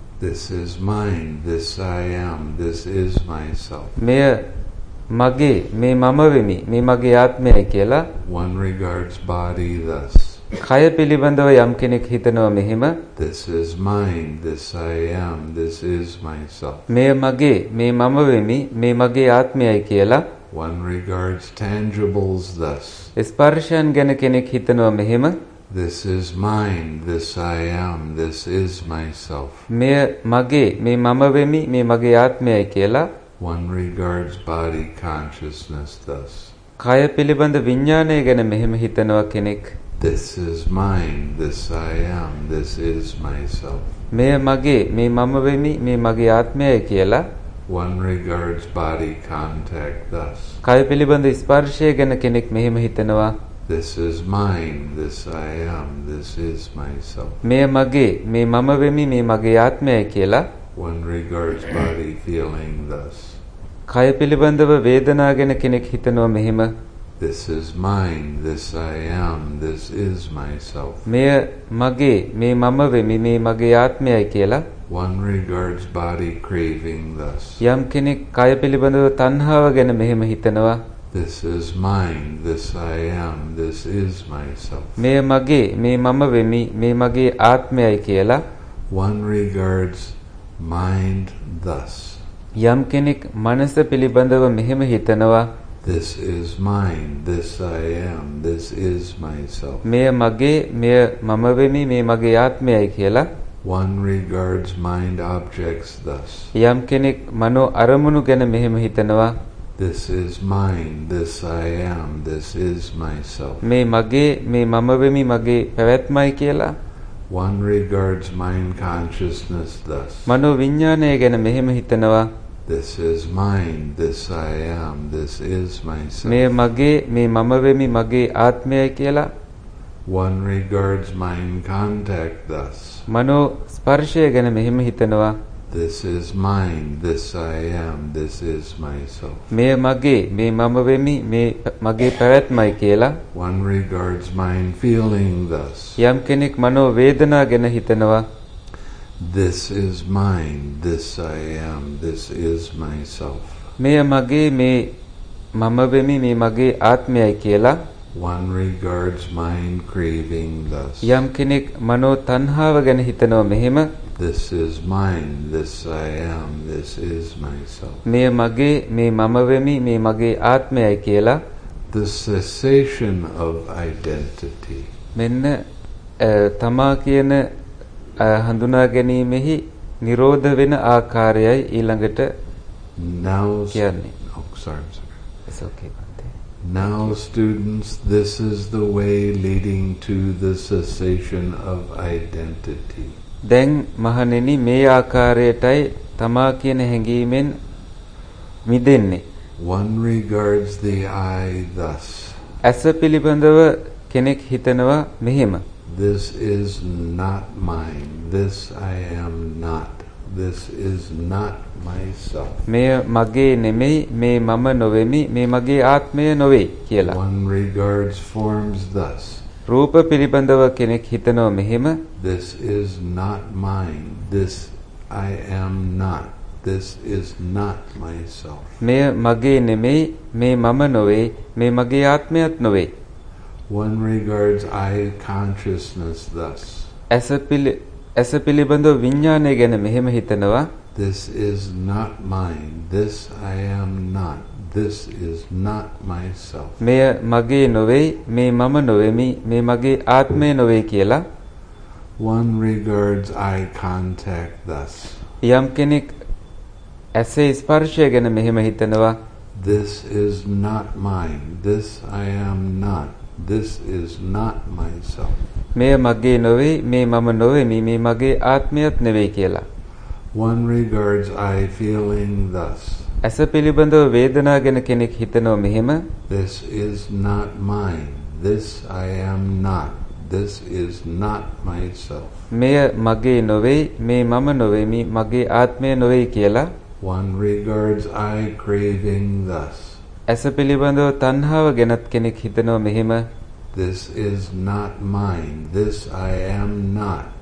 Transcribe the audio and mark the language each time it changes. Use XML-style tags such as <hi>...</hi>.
<en>this is mine this I am this is myself</en> <si>මෙය මගේ මේ මම වෙමි මේ මගේ ආත්මයයි කියලා</si> <en>one regards body thus</en> <si>කය පිළිබඳව යම් කෙනෙක් හිතනවා මෙහෙම</si> <en>this is mine this I am this is myself</en> <si>මෙය මගේ මේ මම වෙමි මේ මගේ ආත්මයයි කියලා</si> <en>one regards tangibles thus</en> <si>ස්පර්ශයන් ගැන කෙනෙක් හිතනවා මෙහෙම</si> <en>this is mine this I am this is myself</en> <si>මෙය මගේ මේ මම වෙමි මේ මගේ ආත්මයයි කියලා</si> <en>one regards body consciousness thus</en> <si>කය පිළිබඳ විඥානය ගැන මෙහෙම හිතනවා කෙනෙක්</si> <en>this is mine this I am this is myself</en> <si>මෙය මගේ මේ මම වෙමි මේ මගේ ආත්මයයි කියලා</si> <en>one regards body contact thus</en> <si>කය පිළිබඳ ස්පර්ශය ගැන කෙනෙක් මෙහෙම හිතනවා</si> <en>this is mine this I am this is myself</en> <si>මෙය මගේ මේ මම වෙමි මේ මගේ ආත්මයයි කියලා</si> <en>one regards body feeling thus</en> <si>කය පිළිබඳව වේදනා ගැන කෙනෙක් හිතනවා මෙහෙම</si> <en>this is mine this I am this is myself</en> <si>මෙය මගේ මේ මම වෙමි මේ මගේ ආත්මයයි කියලා</si> <en>one regards body craving thus</en> <si>යම් කෙනෙක් කය පිළිබඳව තණ්හාව ගැන මෙහෙම හිතනවා</si> <en>this is mine this I am this is myself</en> <si>මෙය මගේ මේ මම වෙමි මේ මගේ ආත්මයයි කියලා</si> <en>one regards mind thus</en> <si>යම් කෙනෙක් මනස පිළිබඳව මෙහෙම හිතනවා</si> <en>this is mine this I am this is myself</en> <si>මෙය මගේ මෙය මම වෙමි මේ මගේ ආත්මයයි කියලා</si> <en>one regards mind objects thus</en> <si>යම් කෙනෙක් මනෝ අරමුණු ගැන මෙහෙම හිතනවා</si> <en>this is mine this I am this is myself</en> <si>මේ මගේ මේ මම වෙමි මගේ පැවැත්මයි කියලා</si> <en>one regards mind consciousness thus</en> <si>මනෝ විඥානය ගැන මෙහෙම හිතනවා</si> <en>this is mine this I am this is myself</en> <si>මේ මගේ මේ මම වෙමි මගේ ආත්මයයි කියලා</si> <en>one regards mind contact thus</en> <si>මනෝ ස්පර්ශය ගැන මෙහෙම හිතනවා</si> <en>this is mine this I am this is myself</en> <si>මෙය මගේ මේ මම වෙමි මේ මගේ පැවැත්මයි කියලා</si> <en>one regards mind feeling thus</en> <si>යම් කෙනෙක් මනෝ වේදනා ගැන හිතනවා</si> <en>this is mine this I am this is myself</en> <si>මෙය මගේ මේ මම වෙමි මේ මගේ ආත්මයයි කියලා</si> <en>one regards mind craving thus</en> <si>යම් කෙනෙක් මනෝ තණ්හාව ගැන හිතනවා මෙහෙම</si> <en>this is mine this I am this is myself</en> <si>මෙය මගේ මේ මම වෙමි මේ මගේ ආත්මයයි කියලා</si> <en>the cessation of identity</en> <si>මෙන්න තමා කියන හඳුනා ගැනීමෙහි නිරෝධ වෙන ආකාරයයි ඊළඟට</si> <en>now</en> <si>කියන්නේ</si> <en>oh sorry sorry it's okay Now, students, this is the way leading to the cessation of identity.</en> <si>දැන් මහණෙනි මේ ආකාරයටයි තමා කියන හැඟීමෙන් මිදෙන්නේ.</si> <en>One regards the I thus.</en> <si>ඇස පිළිබඳව කෙනෙක් හිතනවා මෙහෙම.</si> <en>This is not mine. This I am not. This is not myself.</en> <si>මෙය මගේ නෙමෙයි මේ මම නොවේමි මේ මගේ ආත්මය නොවේ කියලා.</si> <en>One regards forms thus.</en> <si>රූප පිළිබඳව කෙනෙක් හිතනවා මෙහෙම.</si> <en>This is not mine. This I am not. This is not myself.</en> <si>මෙය මගේ නෙමෙයි මේ මම නොවේ මේ මගේ ආත්මයත් නොවේ.</si> <en>One regards I consciousness thus.</en> <si>ඇස පිළිබඳ විඥානය ගැන මෙහෙම හිතනවා</si> <en>this is not mine this I am not this is not myself</en> <si>මෙය මගේ නොවේ මේ මම නොවේමි මේ මගේ ආත්මය නොවේ කියලා</si> <en>one regards eye contact thus</en> <si>යම් කෙනෙක් ඇස ස්පර්ශය ගැන මෙහෙම හිතනවා</si> <en>this is not mine this I am not this is not myself</en> <si>මෙය මගේ නොවේ මේ මම නොවේමි මේ මගේ ආත්මයත් නෙවෙයි කියලා</si> <en>one regards i feeling thus</en> <si>ඇස පිළිබඳව වේදනා ගැන කෙනෙක් හිතනවා මෙහෙම</si> <en>this is not mine this i am not this is not myself.</en> <si>මෙය මගේ නොවේ, මේ මම නොවේ, මේ මගේ ආත්මය නොවේ කියලා.</si> <en>One regards I craving thus.</en> <si>ඇස පිළිබඳව තණ්හාව ගැනත් කෙනෙක් හිතනවා මෙහෙම.</si> <en>This is not mine. This I am not.</en>